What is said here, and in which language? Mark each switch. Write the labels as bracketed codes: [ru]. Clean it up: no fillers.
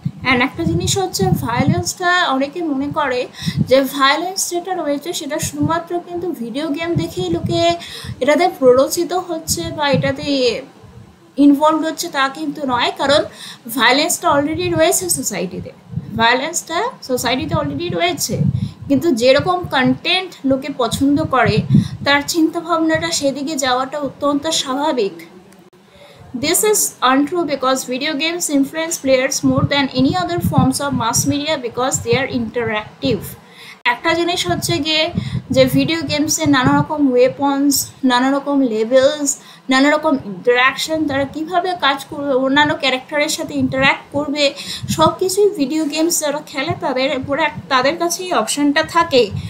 [bn] And একটা জিনিস হচ্ছে ভায়োলেন্সটা অনেকে মনে করে যে ভায়োলেন্স যেটা রয়েছে সেটা শুধুমাত্র কিন্তু ভিডিও গেম দেখেই লোকে এটাতে প্ররোচিত হচ্ছে বা এটাতে ইনভলভ হচ্ছে তা কিন্তু নয়, কারণ ভায়োলেন্সটা অলরেডি রয়েছে সোসাইটিতে, ভায়োলেন্সটা সোসাইটিতে অলরেডি রয়েছে, কিন্তু যেরকম কন্টেন্ট লোকে পছন্দ করে তার চিন্তাভাবনাটা সেদিকে যাওয়াটা অত্যন্ত স্বাভাবিক। [en] This is untrue because video games influence players more than any other forms of mass media because they are interactive. [bn] একটা জিনিস হচ্ছে গিয়ে যে ভিডিও গেমসে নানা রকম ওয়েপন্স, নানা রকম লেভেলস, নানা রকম ইন্টারাকশন, তারা কীভাবে কাজ করবে, অন্যান্য ক্যারেক্টারের সাথে ইন্টারাক্ট করবে, সব কিছুই ভিডিও গেমস যারা খেলে তাদের উপরে তাদের কাছে এই অপশানটা থাকে।